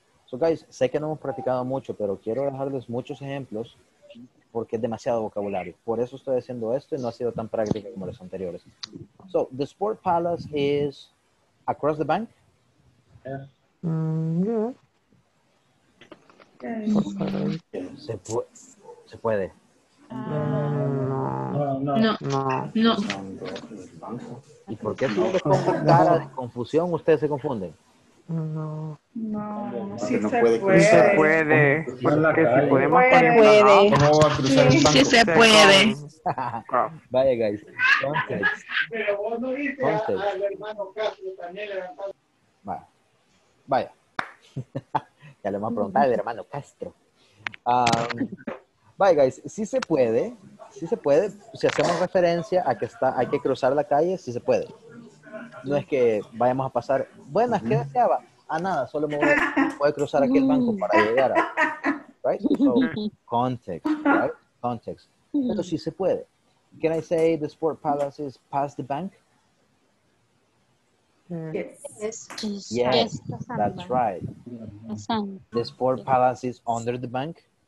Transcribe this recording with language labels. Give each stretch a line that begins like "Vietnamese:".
English: So, guys,
Spanish: sé que no hemos practicado mucho, pero quiero dejarles muchos ejemplos porque es demasiado vocabulario. Por eso estoy haciendo esto y no ha sido tan práctico como los anteriores.
English: So, the sport palace is across the bank. Yeah. Mm, yeah.
Spanish: Okay. Se puede. No. ¿Y por qué si le pongo cara de confusión, ustedes se confunden? No, sí se puede. Sí se puede. Sí se puede. Sí se puede.
English: Vaya, guys. Context.
Spanish: Pero vos no viste al hermano Castro también levantado. Vaya. Vaya. Ya le vamos a preguntar al hermano Castro.
English: Bye, guys.
Spanish: Sí se puede. Sí se puede. Si hacemos referencia a que está, hay que cruzar la calle, sí se puede. No es que vayamos a pasar. Buenas, ¿qué deseaba? A nada, solo me voy a cruzar aquí el banco para llegar a.
English: Right? So, context. Right? Context.
Spanish: Pero sí se puede.
English: Can I say the Sport Palace is past the bank? Yes. That's right. The Sport Palace is under the bank?